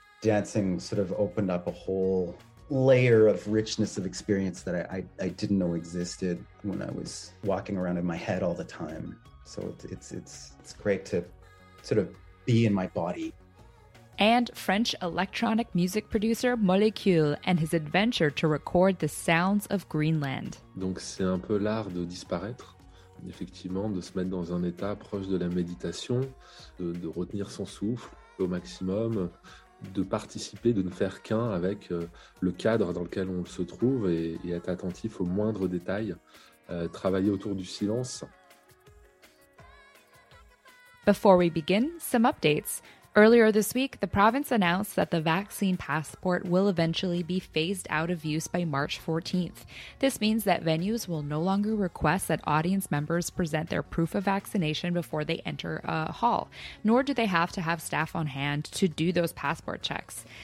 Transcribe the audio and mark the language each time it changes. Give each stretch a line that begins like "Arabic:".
English: Dancing sort of opened up a whole layer of richness of experience that I didn't know existed when I was walking around in my head all the time. So it's great to sort of be in my body. And French electronic music producer Molecule and his adventure to record the sounds of Greenland.
French: Donc c'est un peu l'art de disparaître, effectivement, de se mettre dans un état proche de la méditation, de retenir son souffle au maximum, de participer, de ne faire qu'un avec le cadre dans lequel on se trouve et être attentif aux moindres détails, travailler autour du silence.
English: Before we begin, some updates. Earlier this week, the province announced that the vaccine passport will eventually be phased out of use by March 14th. This means that venues will no longer request that audience members present their proof of vaccination before they enter a hall, nor do they have to have staff on hand to do those passport checks.